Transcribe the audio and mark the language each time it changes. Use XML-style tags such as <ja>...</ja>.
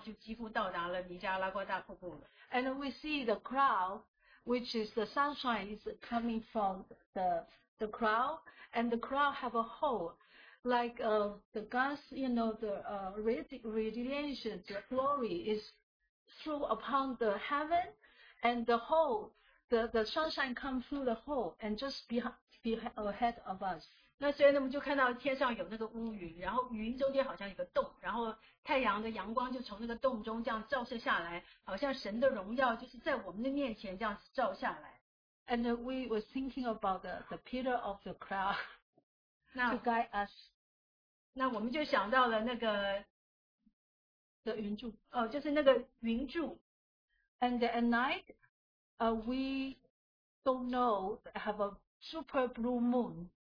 <zh>那所以呢，我们就继续我们的这个旅程，然后就几乎到达了尼加拉瓜大瀑布了。</zh> <en>And we see the cloud, which is the sunshine, is coming from the cloud. And the cloud have a hole, like the God's, you know, the radiation, the glory is through upon the heaven, and the hole, the sunshine comes through the hole and just behind ahead of us.</en> <zh>那所以呢，我们就看到天上有那个乌云，然后云中间好像有个洞，然后太阳的阳光就从那个洞中这样照射下来，好像神的荣耀就是在我们的面前这样照下来。</zh> <en>And we were thinking about the pillar of the cloud to guide us.</en> <zh>那我们就想到了那个</zh> <en>the</en> <zh>云柱, 就是那个云柱.</zh> <en>And at night, we don't know, have a super blue moon.</en>